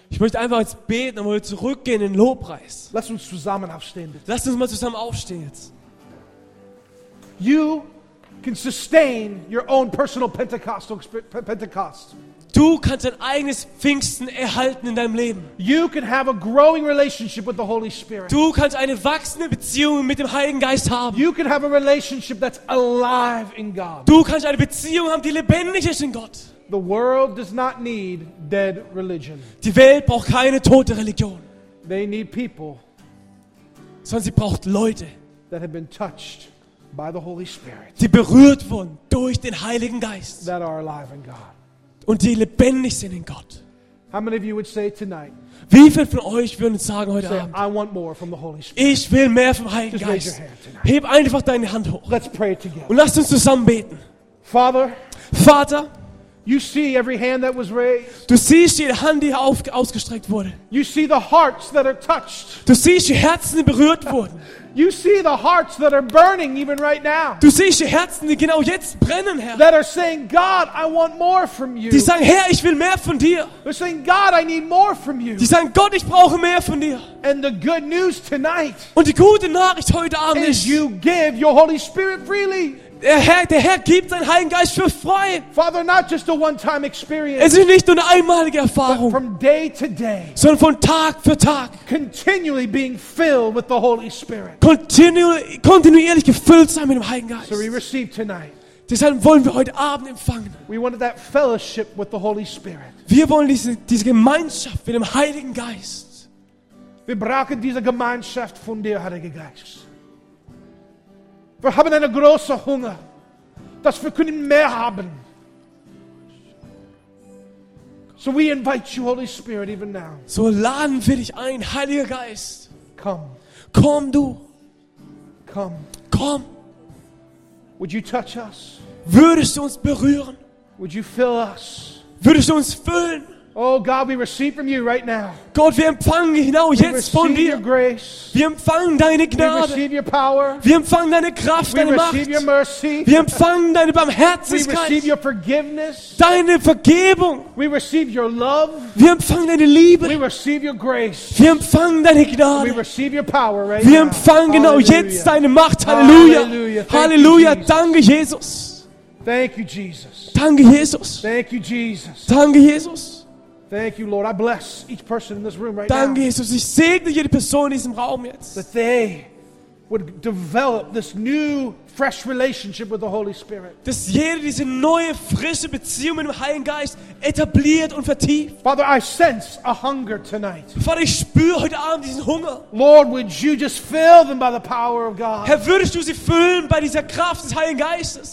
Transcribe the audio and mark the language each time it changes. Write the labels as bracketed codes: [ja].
[de] Ich möchte einfach jetzt beten und wir zurückgehen in den Lobpreis. Lass uns zusammen aufstehen, bitte. Lass uns mal zusammen aufstehen jetzt. [en] You can sustain your own personal Pentecostal Pentecost. [de] Du kannst dein eigenes Pfingsten erhalten in deinem Leben. [en] You can have a growing relationship with the Holy Spirit. [de] Du kannst eine wachsende Beziehung mit dem Heiligen Geist haben. [en] You can have a relationship that's alive in God. [de] Du kannst eine Beziehung haben, die lebendig ist in Gott. [en] The world does not need dead religion. [de] Die Welt braucht keine tote Religion. [en] They need people. [de] Sondern sie braucht Leute. [en] That have been touched by the Holy Spirit. [de] Die berührt wurden durch den Heiligen Geist. [en] That are alive in God. [de] Und die lebendig sind in Gott. [en] How many of you would say tonight? [de] Wie viele von euch würden sagen heute Abend? [en] I want more from the Holy Spirit. [de] Ich will mehr vom Heiligen Geist. Heb einfach deine Hand hoch. [en] Let's pray together. [de] Und lasst uns zusammen beten. [en] Father, [de] Vater, [en] you see every hand that was raised. [de] Du siehst jede Hand, die ausgestreckt wurde. [en] You see the hearts that are touched. [de] Du siehst die Herzen, die berührt wurden. [en] You see the hearts that are burning even right now. [de] Du siehst die Herzen, die genau jetzt brennen, Herr. [en] That are saying, God, I want more from you. [de] Die sagen, Herr, ich will mehr von dir. [en] They're saying, God, I need more from you. [de] Die sagen, Gott, ich brauche mehr von dir. [en] And the good news tonight. [de] Und die gute Nachricht heute Abend ist, [en] you give your Holy Spirit freely. [de] Der Herr gibt seinen Heiligen Geist für frei. [en] Father, not just a one-time experience. [de] Es ist nicht nur eine einmalige Erfahrung. [en] From day to day. [de] Sondern von Tag für Tag. [en] Continually being filled with the Holy Spirit. [de] Kontinuierlich gefüllt sein mit dem Heiligen Geist. [en] So we receive tonight. [de] Deshalb wollen wir heute Abend empfangen. [en] We wanted that fellowship with the Holy Spirit. [de] Wir wollen diese Gemeinschaft mit dem Heiligen Geist. Wir brauchen diese Gemeinschaft von dir, Heiliger Geist. Wir haben einen großen Hunger, dass wir können mehr haben. [en] So we invite you, Holy Spirit, even now. [de] So laden wir dich ein, Heiliger Geist. [en] Come. [de] Komm du. [en] Come. [de] Komm. [en] Would you touch us? [de] Würdest du uns berühren? [en] Would you fill us? [de] Würdest du uns füllen? [en] Oh God, we receive from you right now. [de] Gott, wir empfangen genau jetzt von dir. [en] Your grace. [de] Wir empfangen deine Gnade. [en] We receive your power. [de] Wir empfangen deine Kraft, [en] we [de] deine [en] receive [de] Macht. [en] Your mercy. [de] Wir empfangen deine Barmherzigkeit. [en] We receive your forgiveness. [de] Deine Vergebung. [en] We receive your love. [de] Wir empfangen deine Liebe. [en] We receive your grace. [de] Wir empfangen deine Gnade. [en] We receive your power right [de] wir empfangen [en] now. [de] Halleluja. Jetzt deine Macht. Halleluja. Halleluja. Danke, Jesus. [en] Thank you, Jesus. [de] Danke, Jesus. [en] Thank you, Jesus. [de] Danke, Jesus. [en] Thank you, Lord. I bless each person in this room right [de] danke, [en] now. [de] Danke, Jesus. Ich segne jede Person in diesem Raum jetzt. [en] That they would develop this new, fresh relationship with the Holy Spirit. [de] Dass jeder diese neue, frische Beziehung mit dem Heiligen Geist etabliert und vertieft. [en] Father, I sense a hunger tonight. [de] Vater, ich spüre heute Abend diesen Hunger. [en] Lord, would you just fill them by the power of God? [de] Herr, würdest du sie füllen bei dieser Kraft des Heiligen Geistes?